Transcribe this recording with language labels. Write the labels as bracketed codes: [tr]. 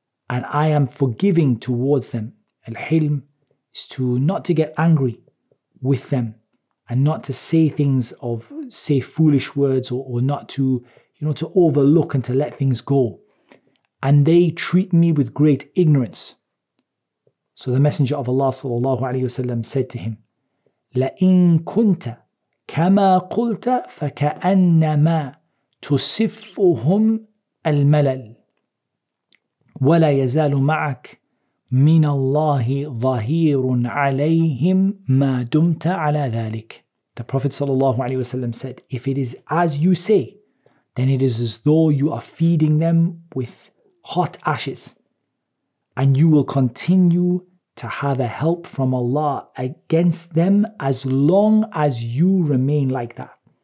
[en] And I am forgiving towards them. Al-Hilm is to not to get angry with them and not to say things of, say foolish words or not to, you know, to overlook and to let things go. And they treat me with great ignorance. [ar] So the Messenger of Allah sallallahu alayhi wasallam said to him, لَإِن كُنْتَ كَمَا قُلْتَ فَكَأَنَّمَا تُصِفُّهُمْ الْمَلَلِ وَلَا يَزَالُ مَعَكْ مِنَ اللَّهِ ظَهِيرٌ عَلَيْهِمْ مَا دُمْتَ عَلَى ذَلِكَ. [en] The Prophet sallallahu alayhi wasallam said, if it is as you say, then it is as though you are feeding them with hot ashes. And you will continue to have a help from Allah against them as long as you remain like that.